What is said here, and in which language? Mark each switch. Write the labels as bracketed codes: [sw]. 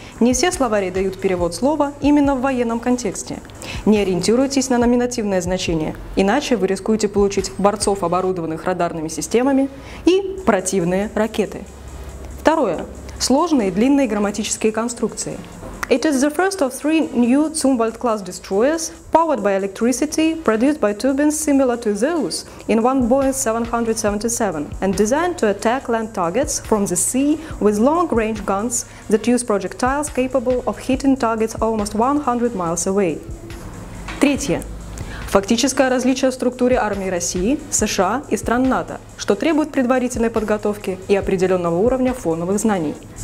[ru] Не все словари дают перевод слова именно в военном контексте. Не ориентируйтесь на номинативное значение, иначе вы рискуете получить борцов, оборудованных радарными системами, и противные ракеты. Второе. Сложные длинные грамматические конструкции. [en] It is the first of three new Zumwalt-class destroyers, powered by electricity, produced by turbines similar to those in one Boeing 777, and designed to attack land targets from the sea with long-range guns that use projectiles capable of hitting targets almost 100 miles away. [ru] Третье. Фактическое различие в структуре армии России, США и стран НАТО, что требует предварительной подготовки и определенного уровня фоновых знаний.